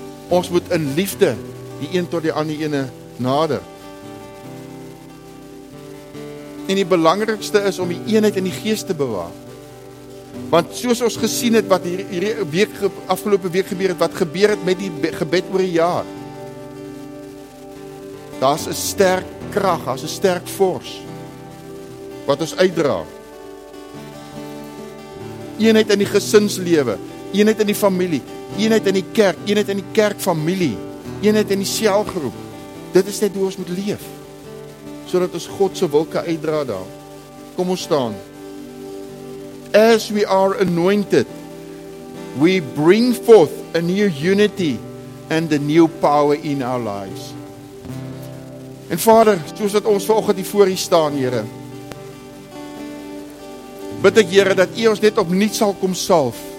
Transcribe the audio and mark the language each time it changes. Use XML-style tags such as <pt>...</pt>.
<af>Ons moet in liefde die een tot die ander ene nader. En die belangrikste is om die eenheid in die gees te bewaar. Want soos ons gesien het wat hierdie week, afgelope week gebeur het, wat gebeur het met die gebed oor die jaar, daar's 'n sterk krag, daar's 'n sterk fors wat ons uitdra. Eenheid in die gesinslewe, eenheid in die familie, eenheid in die kerk, eenheid in die kerkfamilie, eenheid in die selgroep. Dit is net hoe ons moet leef, sodat ons God se wil kan uitdra daar. Kom ons staan.</af> <en>As we are anointed, we bring forth a new unity and a new power in our lives.</en> <af>En Vader, soos dat ons vanoggend hier voor U staan, Here, bid ek, Here, dat U ons net opnuut sal kom salf.</af>